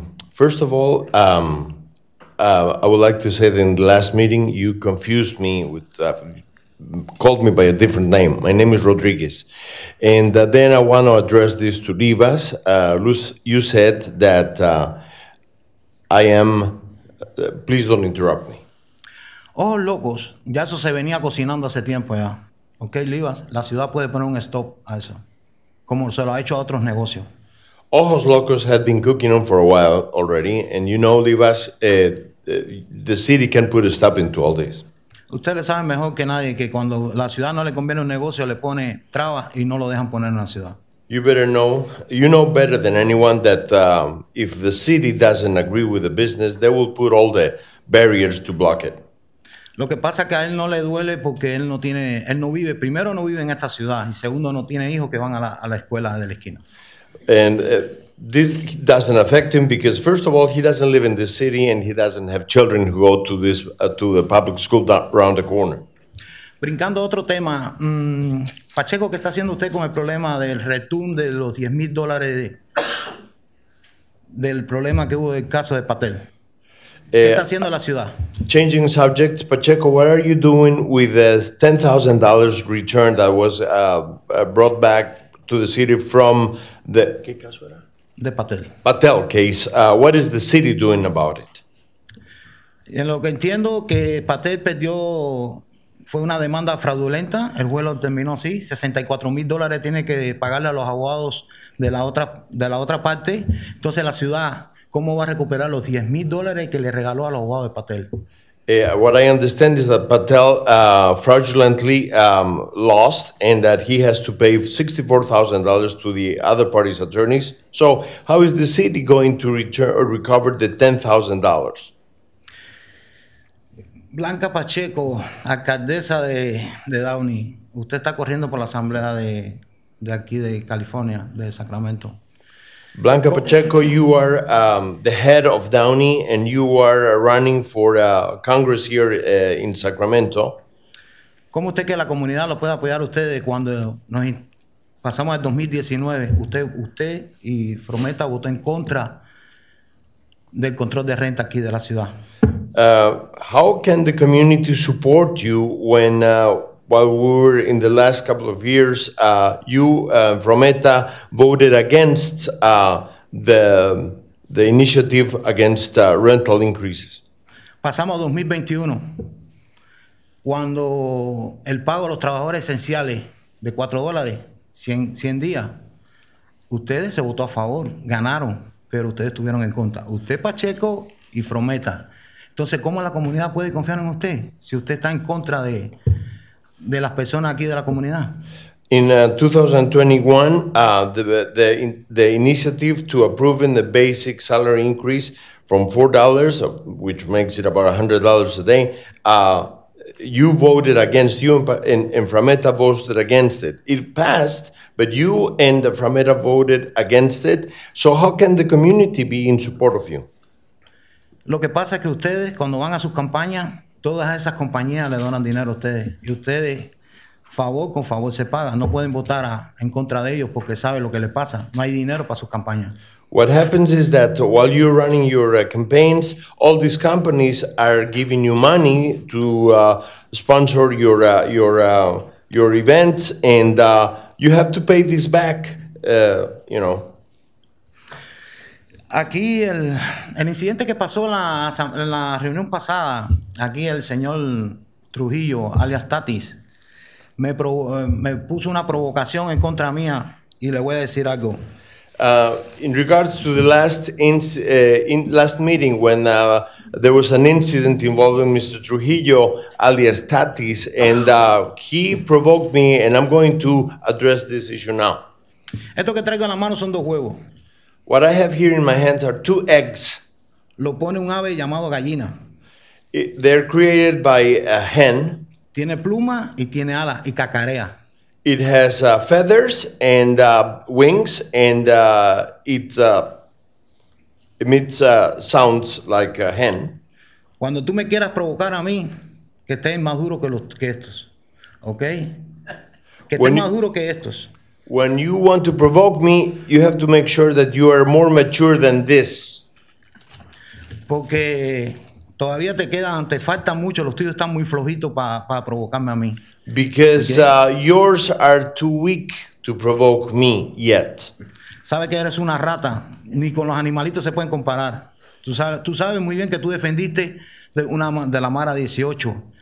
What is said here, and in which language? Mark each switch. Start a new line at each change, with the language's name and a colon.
English: First of all, I would like to say that in the last meeting, you confused me with, called me by a different name. My name is Rodriguez. And then I want to address this to Rivas. Luz, you said that I am, please don't interrupt me.
Spanish: Oh, locos, ya eso se venía cocinando hace tiempo ya. Ok, Livas, la ciudad puede poner un stop a eso, como se lo ha hecho a otros negocios.
English: Ojos Locos had been cooking on for a while already, and you know, Livas, the city can put a stop into all this.
Spanish: Ustedes saben mejor que nadie que cuando la ciudad no le conviene un negocio, le pone trabas y no lo dejan poner en la ciudad.
English: You know better than anyone that if the city doesn't agree with the business, they will put all the barriers to block it.
Spanish: Lo que pasa es que a él no le duele porque él no tiene, él no vive, primero no vive en esta ciudad y segundo no tiene hijos que van a la escuela de la esquina.
English: And this doesn't affect him because first of all, he doesn't live in this city and he doesn't have children who go to this to the public school around the corner.
Spanish: Brincando otro tema, Pacheco, ¿qué está haciendo usted con el problema del retún de los $10,000 del problema que hubo del caso de Patel? ¿Qué está haciendo la ciudad?
English: Changing subjects, Pacheco, what are you doing with the $10,000 return that was brought back to the city from the...
Spanish: ¿Qué caso era? De Patel.
English: Patel case. What is the city doing about it?
Spanish: En lo que entiendo que Patel perdió... Fue una demanda fraudulenta. El vuelo terminó así. $64,000 tiene que pagarle a los abogados de la otra parte. Entonces la ciudad, ¿cómo va a recuperar los $10,000 que le regaló a los abogados de Patel?
English: What I understand is that Patel fraudulently lost and that he has to pay $64,000 to the other party's attorneys. So how is the city going to return or recover the $10,000?
Spanish: Blanca Pacheco, alcaldesa de Downey, usted está corriendo por la asamblea de aquí de California, de Sacramento.
English: Blanca Pacheco, you are the head of Downey and you are running for Congress here in Sacramento.
Spanish: ¿Cómo usted que la comunidad lo puede apoyar a ustedes cuando nos pasamos al 2019? Usted y Frometa votó en contra del control de renta aquí de la ciudad.
English: How can the community support you when, while we were in the last couple of years, you, Frometa, voted against the initiative against rental increases?
Spanish: Pasamos 2021, cuando el pago a los trabajadores esenciales de $4, 100 días, ustedes se votó a favor, ganaron, pero ustedes estuvieron en contra. Usted, Pacheco, y Frometa. Entonces, ¿cómo la comunidad puede confiar en usted si usted está en contra de las personas aquí de la comunidad?
English: In 2021, the initiative to approve in the basic salary increase from $4, which makes it about $100 a day, you voted against, you and Frometa voted against it. It passed, but you and Frometa voted against it. So how can the community be in support of you?
Spanish: Lo que pasa es que ustedes, cuando van a sus campañas, todas esas compañías le donan dinero a ustedes. Y ustedes, favor con favor, se pagan. No pueden votar en contra de ellos porque saben lo que les pasa. No hay dinero para sus campañas.
English: What happens is that while you're running your campaigns, all these companies are giving you money to sponsor your events, and you have to pay this back, you know.
Spanish: Aquí el incidente que pasó en la reunión pasada, aquí el señor Trujillo, alias Tatis, me puso una provocación en contra mía y le voy a decir algo.
English: In regards to the last meeting when there was an incident involving Mr. Trujillo, alias Tatis, and he provoked me, and I'm going to address this issue now.
Spanish: Esto que traigo en la mano son dos huevos.
English: What I have here in my hands are two eggs.
Spanish: Lo pone un ave llamado gallina.
English: They're created by a hen.
Spanish: Tiene pluma y tiene alas y cacarea.
English: It has feathers and wings and it emits sounds like a hen.
Spanish: Cuando tú me quieras provocar a mí, que estén más duros que los que estos, okay? Que estén más duros que estos.
English: When you want to provoke me, you have to make sure that you are more mature than this.
Spanish: Porque todavía te quedan, te faltan mucho, los tuyos están muy flojitos para provocarme a mí.
English: Because okay? Yours are too weak to provoke me yet.
Spanish: Sabes que eres una rata, ni con los animalitos se pueden comparar. Tú sabes muy bien que tú defendiste de la Mara 18.